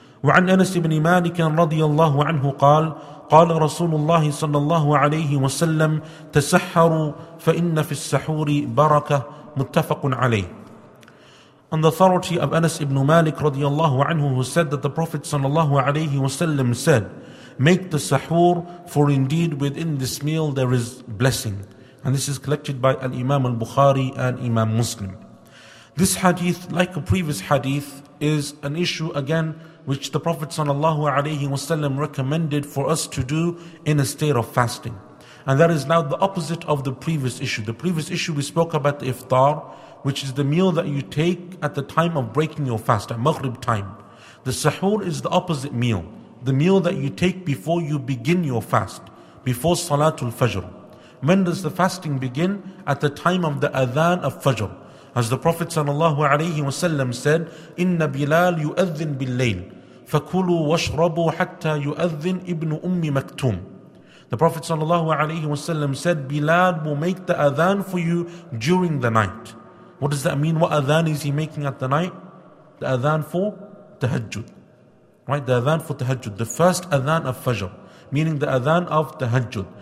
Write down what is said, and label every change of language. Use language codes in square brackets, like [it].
[ar] وعن أنس بن مالك رضي الله عنه قال قال رسول الله صلى الله عليه وسلم تسحروا فإن في السحور بركة متفق عليه. [en] On the authority of Anas ibn Malik radiallahu anhu, who said that the Prophet sallallahu alayhi wasallam said, make the sahur, for indeed within this meal there is blessing. And this is collected by Al-Imam al-Bukhari and Imam Muslim. This hadith, like a previous hadith, is an issue again which the Prophet sallallahu alayhi wasallam recommended for us to do in a state of fasting. And that is now the opposite of the previous issue. The previous issue we spoke about the iftar, which is the meal that you take at the time of breaking your fast, at maghrib time. The sahur is the opposite meal, the meal that you take before you begin your fast, before Salatul Fajr. When does the fasting begin? At the time of the adhan of Fajr. As the Prophet sallallahu alayhi wa sallam said, [ar] إِنَّ بِلَال يُؤَذِّن بِاللَّيْلِ فَكُلُوا وَاشْرَبُوا حَتَّى يُؤَذِّن إِبْنُ أُمِّ مَكْتُومٍ. [en] The Prophet sallallahu alayhi wa sallam said, Bilal will make the adhan for you during the night. What does that mean? What adhan is he making at the night? The adhan for tahajjud. Right? The adhan for tahajjud. The first adhan of Fajr. Meaning the adhan of tahajjud.